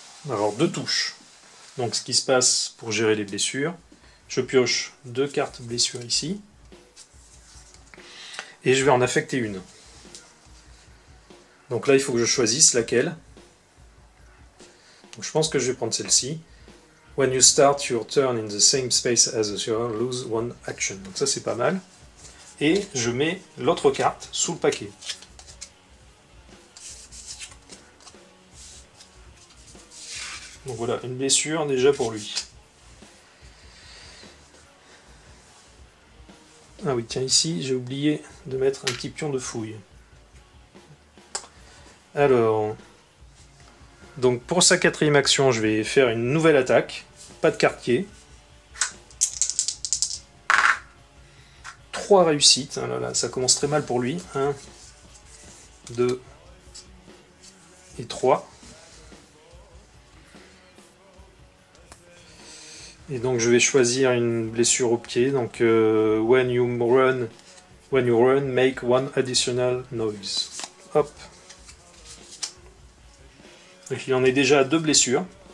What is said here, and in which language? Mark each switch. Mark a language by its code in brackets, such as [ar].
[fr] Alors 2 touches. Donc ce qui se passe pour gérer les blessures, Je pioche deux cartes blessures ici. Et je vais en affecter une. Donc là, il faut que je choisisse laquelle. Donc, je pense que je vais prendre celle-ci. [en] When you start your turn in the same space as the survivor, lose one action. [fr] Donc ça, c'est pas mal. Et je mets l'autre carte sous le paquet. Donc voilà, une blessure déjà pour lui. Ah oui, tiens, ici, j'ai oublié de mettre un petit pion de fouille. Alors, donc pour sa quatrième action, je vais faire une nouvelle attaque. Pas de quartier. Trois réussites. Ah là là, ça commence très mal pour lui. 1, 2 et 3. Et donc je vais choisir une blessure au pied. Donc [en] when you run, make one additional noise. [fr] Hop. Donc il en est déjà à deux blessures.